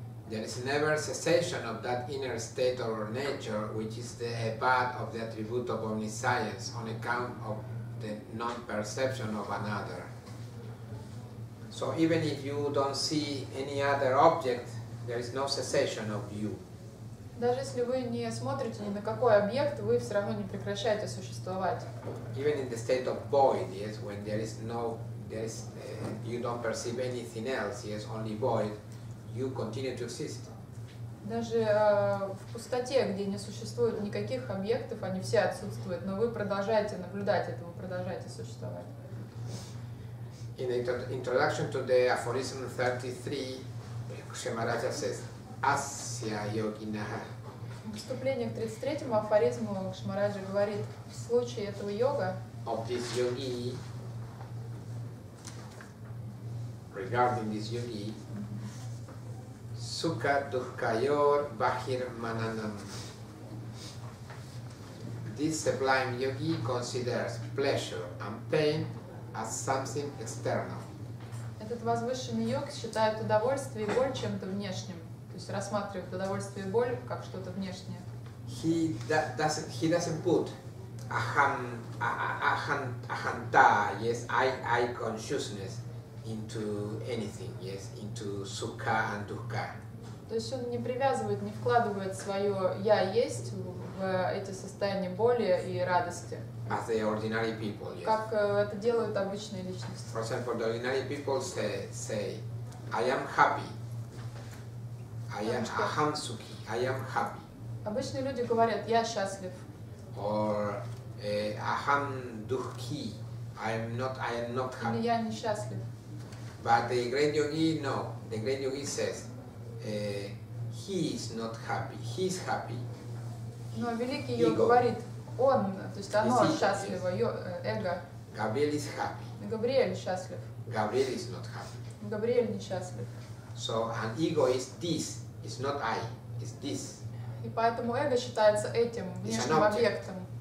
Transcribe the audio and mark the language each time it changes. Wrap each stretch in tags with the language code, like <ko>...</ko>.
<en>There is never cessation of that inner state or nature, which is the abode of the attribute of omniscience on account of the non-perception of another. So even if you don't see any other object, there is no cessation of you.</en> <ru>Даже если вы не смотрите ни на какой объект, вы все равно не прекращаете существовать.</ru> <en>Even in the state of void, yes, when there is no, there is, you don't perceive anything else, yes, only void, you continue to exist.</en> <ru>Даже в пустоте, где не существует никаких объектов, они все отсутствуют, но вы продолжаете наблюдать это, вы продолжаете существовать.</ru> <en>In the introduction to the aphorism 33, Кшемараджа says,</en> <sa>Асья йогинаха.</sa> <ru>Вступление к 33-му афоризму Кшемараджа говорит, в случае этого йога,</ru> <en>of this yogi, regarding this yogi,</en> <sa>Сука Духкайор Бахир Мананам.</sa> <en>This sublime yogi considers pleasure and pain as something external.</en> <ru>Этот возвышенный йог считает удовольствие и боль чем-то внешним, то есть рассматривает удовольствие и боль как что-то внешнее.</ru> <en>He doesn't put ahanta, yes, I consciousness into anything, yes, into sukha and dukkha.</en> <ru>То есть он не привязывает, не вкладывает свое я есть в эти состояния боли и радости.</ru> <en>As the ordinary people, yes.</en> <ru>Как это делают обычные личности.</ru> <en>For example, the ordinary people say, I am happy. I am happy.</en> <ru>Обычные люди говорят, я счастлив.</ru> <en>Or</en> <sa>aham dukhi,</sa> <en>I am not happy.</en> <ru>Я несчастлив.</ru> <en>But the great yogi, no. The great yogi says, he is not happy. He is happy.</en> <ru>Но великий йог говорит, он, то есть оно счастливо, эго.</ru> <en>Gabriel is happy.</en> <ru>Габриэль счастлив.</ru> <en>Gabriel is not happy.</en> <ru>Габриэль несчастлив.</ru> <en>So an ego is this. It's not I. It's this.</en> <ru>И поэтому эго считается этим внешним объектом.</ru>